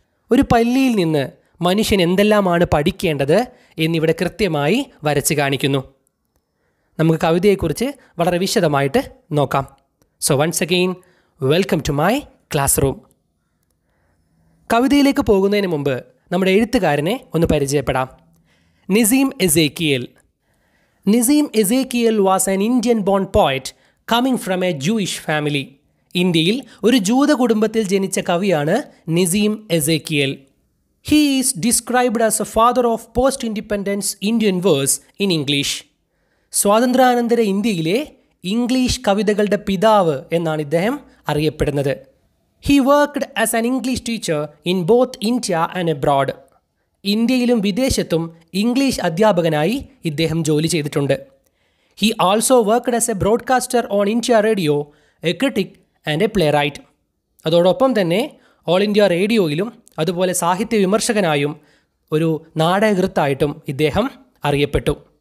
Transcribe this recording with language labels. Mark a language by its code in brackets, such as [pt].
[ml] ഒരു പല്ലിയിൽ നിന്ന് മനുഷ്യൻ എന്തെല്ലാമാണ് പഠിക്കേണ്ടത് എന്നിവിടെ കൃത്യമായി വരച്ചു കാണിക്കുന്നു. നമുക്ക് കവിതയെക്കുറിച്ച് വളരെ വിശദമായിട്ട് നോക്കാം. [en] So once again welcome to my classroom. [ml] കവിതയിലേക്ക് പോകുന്നതിന് മുമ്പ് നമ്മുടെ എഴുത്തുകാരനെ ഒന്ന് പരിചയപ്പെടാം. നിസീം എസേക്കിയേൽ. [en] Nissim Ezekiel was an Indian-born poet coming from a Jewish family. [ml] ഇന്ത്യയിൽ ഒരു ജൂത കുടുംബത്തിൽ ജനിച്ച കവിയാണ് നിസീം എസേക്കിയേൽ. [en] He is described as a father of post-independence Indian verse in English. [ml] സ്വാതന്ത്ര്യാനന്തര ഇന്ത്യയിലെ ഇംഗ്ലീഷ് കവിതകളുടെ പിതാവ് എന്നാണ് ഇദ്ദേഹം അറിയപ്പെടുന്നത്. [en] He worked as an English teacher in both India and abroad. [ml] ഇന്ത്യയിലും വിദേശത്തും ഇംഗ്ലീഷ് അധ്യാപകനായി ഇദ്ദേഹം ജോലി ചെയ്തിട്ടുണ്ട്. [en] He also worked as a broadcaster on India radio, a critic and a playwright. [ml] അതോടൊപ്പം തന്നെ ഓൾ ഇന്ത്യ റേഡിയോയിലും അതുപോലെ സാഹിത്യ വിമർശകനായും ഒരു നാടകകൃത്തായിട്ടും ഇദ്ദേഹം അറിയപ്പെട്ടു.